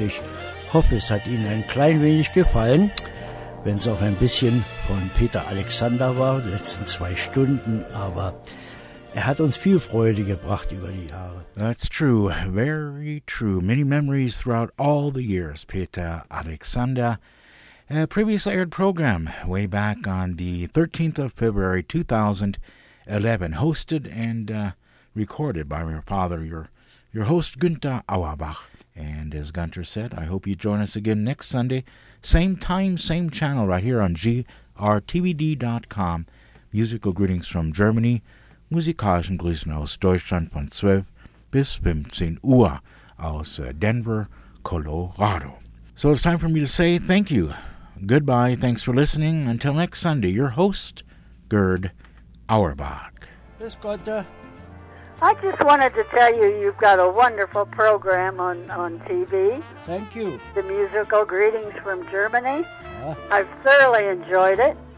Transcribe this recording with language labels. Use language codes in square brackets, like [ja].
[de] Ich hoffe, es hat Ihnen ein klein wenig gefallen, wenn es auch ein bisschen von Peter Alexander war, die letzten 2 Stunden. Aber er hat uns viel Freude gebracht über die Jahre. [en] That's true, very true. Many memories throughout all the years, Peter Alexander. A previously aired program way back on the 13th of February 2011, hosted and recorded by my father, your host, Günther Auerbach. And as Gunter said, I hope you join us again next Sunday, same time, same channel, right here on grtvd.com. Musical greetings from Germany, [de] musikalischen Grüßen aus Deutschland von 12 bis 15 Uhr aus Denver, Colorado. [en] So it's time for me to say thank you. Goodbye, thanks for listening. Until next Sunday, your host, Gerd Auerbach. [de] Bis Gott. [en] I just wanted to tell you, you've got a wonderful program on TV. Thank you. The musical greetings from Germany. Yeah. I've thoroughly enjoyed it.